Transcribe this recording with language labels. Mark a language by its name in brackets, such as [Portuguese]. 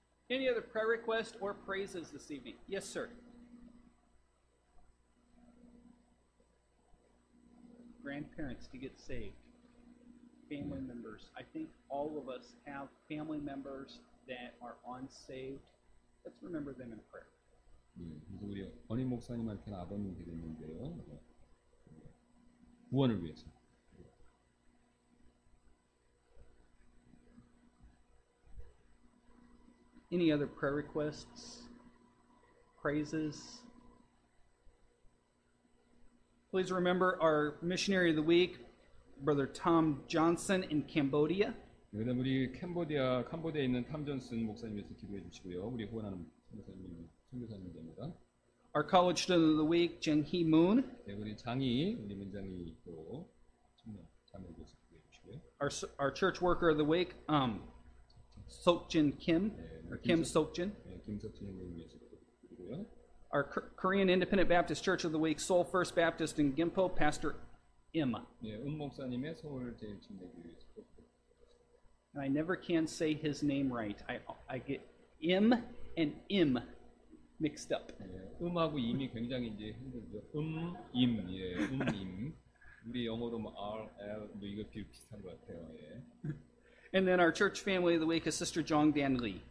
[English] Any other prayer requests or praises this evening? Yes, sir. Grandparents to get saved, family members. I think all of us have family members that are unsaved. Let's remember them in prayer. [Korean] 네, 우리 어머니 목사님한테는 아버님 되겠는데요. 구원을 위해서. [English] Any other prayer requests? Praises? Please remember our missionary of the week, Brother Tom Johnson in Cambodia. [Korean] 그다음 우리 캄보디아 캄보디아에 있는 탐 존슨 목사님께서 기도해 주시고요. 우리 후원하는 선교사님 선교사님 됩니다. [English] Our college student of the week, Jang Hee Moon. [Korean] 네, 우리 장이 우리 문장이 또 참여 참여해서 기도해 주시고요. [English] Our church worker of the week, Seokjin Kim, 네, or Kim Seokjin. [Korean] 네, 김석진 목사님께서 기도해요. [English] Our Korean Independent Baptist Church of the week, Seoul First Baptist in Gimpo, Pastor Im. [Korean] 네, 은 목사님의 서울 제일 침례교회 위해서. [English] And I never can say his name right. I get M and M mixed up. [Korean] 예, 음하고 임이 굉장히 이제 힘들죠. 임, 예, 임. 우리 영어로 뭐 R, L도 이거 비슷한 것 같아요. 예. [English] And then our church family of the week is Sister Jong Dan Lee.